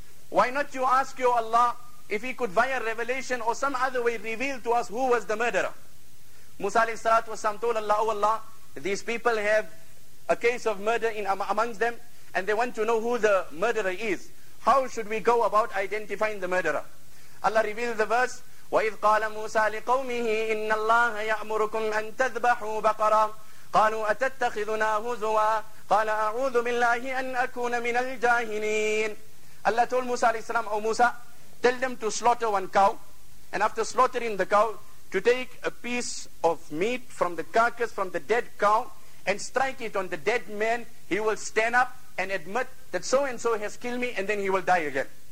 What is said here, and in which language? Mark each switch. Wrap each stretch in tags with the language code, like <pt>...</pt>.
<en>Why not you ask your Allah if he could via revelation or some other way reveal to us who was the murderer? Musa alayhi salatu wasalam told Allah, oh Allah, these people have a case of murder in amongst them and they want to know who the murderer is. How should we go about identifying the murderer? Allah revealed the verse,</en> <ar>وَإِذْ قَالَ مُوسَى لِقَوْمِهِ إِنَّ اللَّهَ يَأْمُرُكُمْ أَن تَذْبَحُوا بَقَرًا قَالُوا أَتَتَّخِذُنَا هُزُوًا قَالَ أَعُوذُ بِاللَّهِ أَن أَكُونَ مِنَ الْجَاهِلِينَ.</ar> <en>Allah told Musa alayhi salam, O Musa, tell them to slaughter one cow, and after slaughtering the cow, to take a piece of meat from the carcass, from the dead cow, and strike it on the dead man. He will stand up and admit that so and so has killed me, and then he will die again.</en>